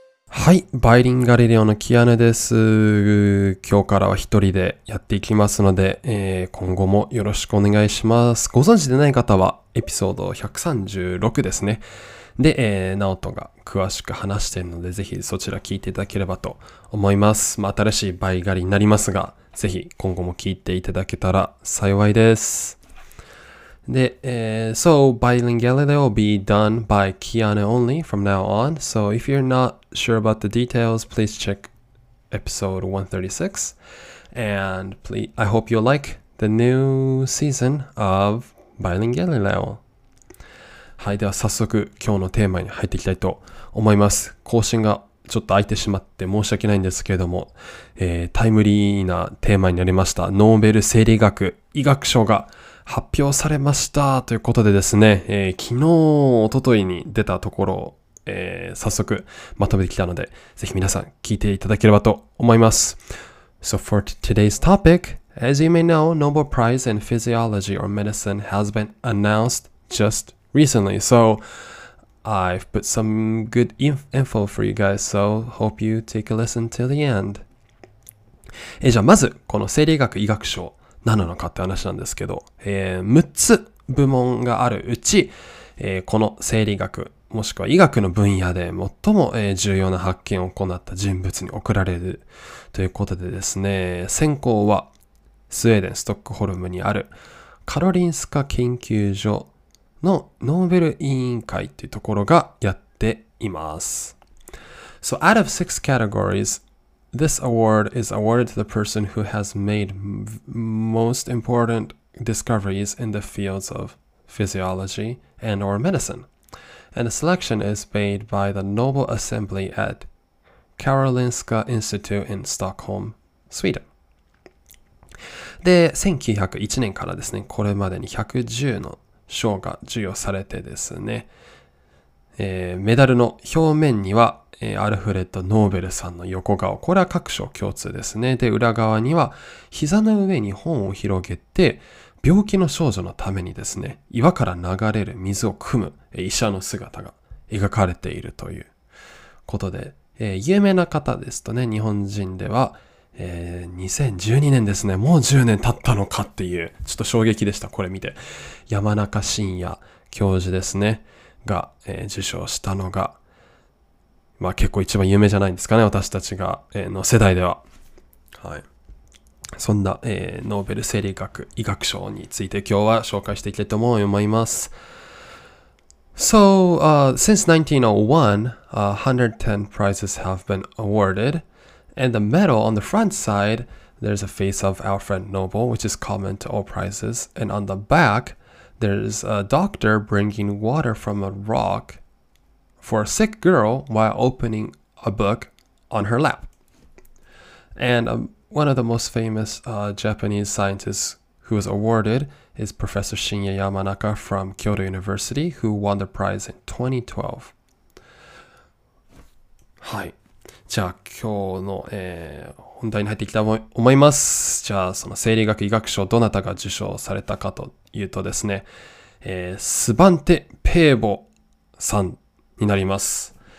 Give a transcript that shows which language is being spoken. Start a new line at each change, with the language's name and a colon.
Japanese: はい、バイリンガリレオのキアヌです。今日からは一人でやっていきますので、今後もよろしくお願いします。ご存知でない方はエピソード136ですね。で、ナオトが詳しく話しているので、ぜひそちら聞いていただければと思います。まあ、新しいバイガリになりますが、ぜひ今後も聞いていただけたら幸いです。
English: で、So bilingual will be done by Kiana only from now on. So if you're not sure about the details, please check episode 136. And please, I hope you like the new season of bilingual.
Japanese: はい、では早速今日のテーマに入っていきたいと思います。更新がちょっと空いてしまって申し訳ないんですけれども、タイムリーなテーマになりましたノーベル生理学医学賞が発表されましたということでですね、昨日おとといに出たところを、早速まとめてきたので、ぜひ皆さん聞いていただければと思います。
English: So for today's topic, as you may know, Nobel Prize in Physiology or Medicine has been announced just recently, so I've put some good info for you guys, so hope you take a listen till the end.
Japanese: じゃあまずこの生理学医学賞何なのかって話なんですけど、6つ部門があるうち、この生理学もしくは医学の分野で最も、重要な発見を行った人物に贈られるということでですね、選考はスウェーデンストックホルムにあるカロリンスカ研究所のノーベル委員会というところがやっています。
English: So out of six categoriesThis award is awarded to the person who has made most important discoveries in the fields of physiology and or medicine. And the selection is made by the Nobel Assembly at Karolinska Institute in Stockholm, Sweden.
Japanese: で、1901年からですね、これまでに110の賞が授与されてですね、メダルの表面にはアルフレッド・ノーベルさんの横顔、これは各賞共通ですね。で、裏側には膝の上に本を広げて病気の少女のためにですね、岩から流れる水を汲む医者の姿が描かれているということで、有名な方ですとね、日本人では、2012年ですね、もう10年経ったのかっていう、ちょっと衝撃でした。これ見て、山中伸弥教授ですねが、受賞したのが、まあ結構一番有名じゃないんですかね、私たちが、の世代では。はい、そんな、ノーベル生理学医学賞について今日は紹介していきたいと思います。
English: So since 1901 110 prizes have been awarded, and the medal on the front side, there's a face of Alfred Nobel, which is common to all prizes, and on the back there's a doctor bringing water from a rockfor a sick girl while opening a book on her lap. And one of the most famous Japanese scientists who was awarded is Professor Shinya Yamanaka from Kyoto University, who won the prize in 2012.
Japanese: はい。じゃあ今日の、本題に入っていきたいと思います。じゃあその生理学医学賞どなたが受賞されたかというとですね、スバンテ・ペーボさんになります。